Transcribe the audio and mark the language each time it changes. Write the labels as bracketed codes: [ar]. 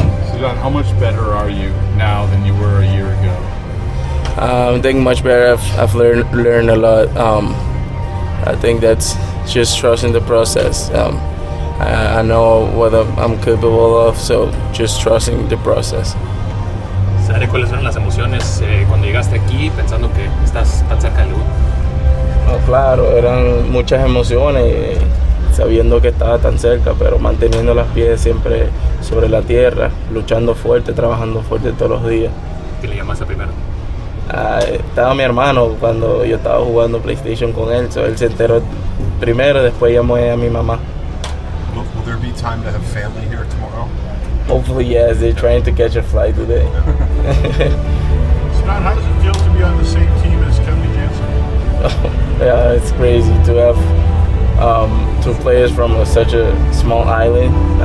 [en] Ceddanne, how much better are you now than you were a year ago? I'm thinking much better. I've learned a lot. I think that's just trusting the process. I know what I'm capable of, so just trusting the process. [es] ¿Sabes cuáles eran las emociones cuando llegaste aquí, pensando que estás tan cerca del debut? Claro, eran muchas emociones, sabiendo que estaba tan cerca, pero manteniendo las pies siempre sobre la tierra, luchando fuerte, trabajando fuerte todos los días. ¿Qué le llamaste primero? Estaba mi hermano cuando yo estaba jugando PlayStation con él, so él se enteró primero, después llamó a mi mamá. [en] Will there be time to have family here tomorrow? Hopefully, yes. They're trying to catch a flight today. Ceddanne, how does it feel to be on the same team as Kevin Jansen? Yeah, it's crazy to have two players from such a small island.